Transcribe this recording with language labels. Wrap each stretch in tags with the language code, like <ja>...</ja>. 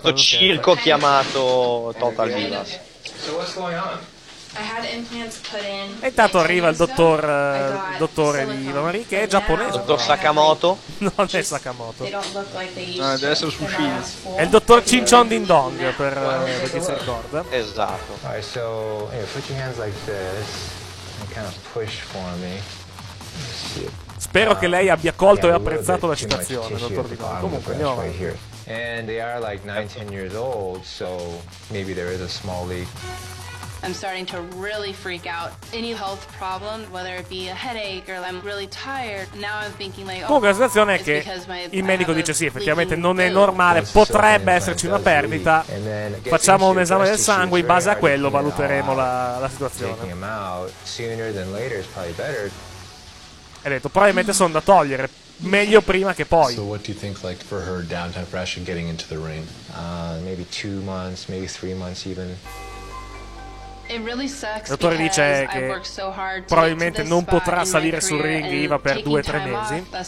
<it>Questo circo chiamato Total Divas.</it> <en>So what's going on?</en> <it>E intanto arriva il dottore di Ivamari, che è giapponese. Dottor Sakamoto? Non è Sakamoto. No, deve essere su Shin. È il dottor Chin Chong Ding Dong, per chi si ricorda. Esatto.</it> <en>Alright, so put your hands like this and kind of push for me.</en> <it>Spero che lei abbia colto e apprezzato la citazione, dottor Ding Dong. Comunque, andiamo.</it> <en>And they are like 9-10 years old, so maybe there is a small leak. I'm starting to really freak out. Any health problem, whether it be a headache or I'm really tired, now I'm thinking like, oh,</en> <it>comunque la situazione è che il medico dice sì, effettivamente non è normale, potrebbe esserci una perdita, facciamo un esame del sangue, in base a quello valuteremo la situazione. Ha detto probabilmente sono da togliere, meglio prima che poi.</it> <en>So what do you think, like, for her downtime fresh and getting into the ring? Maybe 2 months, maybe 3 months even. It really sucks.</en> <it>Il dottore dice che probabilmente non potrà salire sul ring Eva per 2-3 mesi.</it>